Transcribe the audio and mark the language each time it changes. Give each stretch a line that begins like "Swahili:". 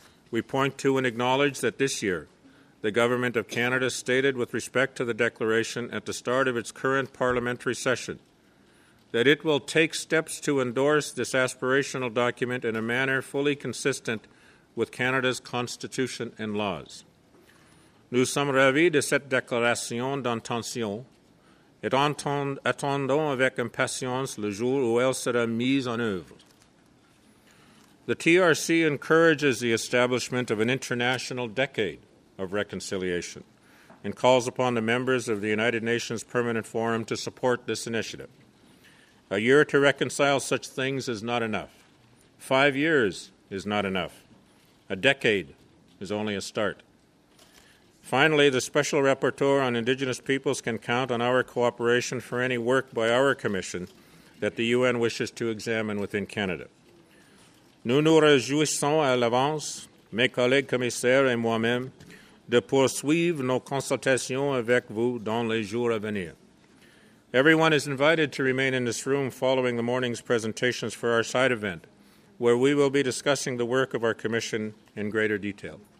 English: We point to and acknowledge that this year, the Government of Canada stated with respect to the declaration at the start of its current parliamentary session that it will take steps to endorse this aspirational document in a manner fully consistent with Canada's constitution and laws.
French: Nous sommes ravis de cette déclaration d'intention et attendons avec impatience le jour où elle sera mise en œuvre.
English: The TRC encourages the establishment of an international decade of reconciliation and calls upon the members of the United Nations Permanent Forum to support this initiative. A year to reconcile such things is not enough. 5 years is not enough. A decade is only a start. Finally, the Special Rapporteur on Indigenous Peoples can count on our cooperation for any work by our Commission that the UN wishes to examine within Canada.
French: Nous nous réjouissons à l'avance, mes collègues commissaires et moi-même, de poursuivre nos consultations avec vous dans les jours à venir.
English: Everyone is invited to remain in this room following the morning's presentations for our side event, where we will be discussing the work of our Commission in greater detail.